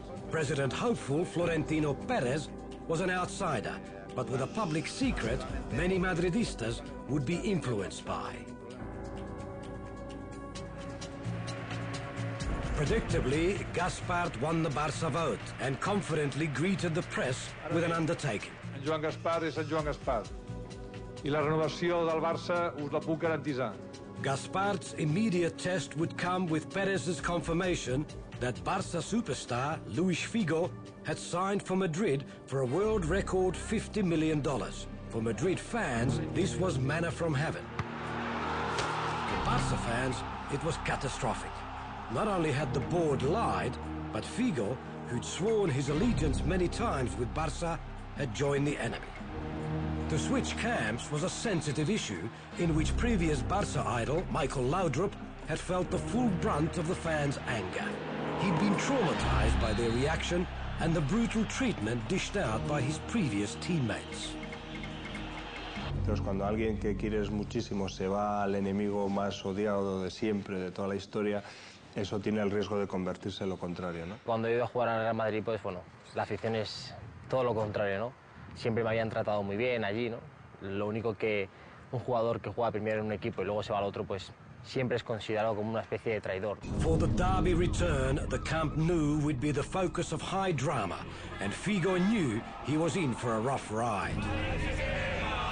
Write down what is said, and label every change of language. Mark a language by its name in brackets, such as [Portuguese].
[English] President hopeful Florentino Pérez was an outsider, but with a public secret many Madridistas would be influenced by. Predictably, Gaspart won the Barça vote and confidently greeted the press with an undertaking. [Catalan] En Joan Gaspart és en Joan Gaspart. I la renovació del Barça us la puc garantir. [English] Gaspart's immediate test would come with Pérez's confirmation that Barça superstar Luis Figo had signed for Madrid for a world record $50 million. For Madrid fans, this was manna from heaven. For Barça fans, it was catastrophic. Not only had the board lied, but Figo, who'd sworn his allegiance many times with Barça, had joined the enemy. To switch camps was a sensitive issue in which previous Barça idol, Michael Laudrup, had felt the full brunt of the fans' anger. He'd been traumatized by their reaction and the brutal treatment dished out by his previous teammates. [Spanish] Entonces, cuando alguien que quieres muchísimo se va al enemigo más odiado de siempre, de toda la historia, eso tiene el riesgo de convertirse en lo contrario, ¿no? Cuando iba a jugar al Real Madrid, pues bueno, la afición es todo lo contrario, ¿no? Siempre me habían tratado muy bien allí, ¿no? Lo único que un jugador que juega primero en un equipo y luego se va al otro, pues siempre es considerado como una especie de traidor. [English] For the derby return, the Camp Nou would be the focus of high drama, and Figo knew he was in for a rough ride.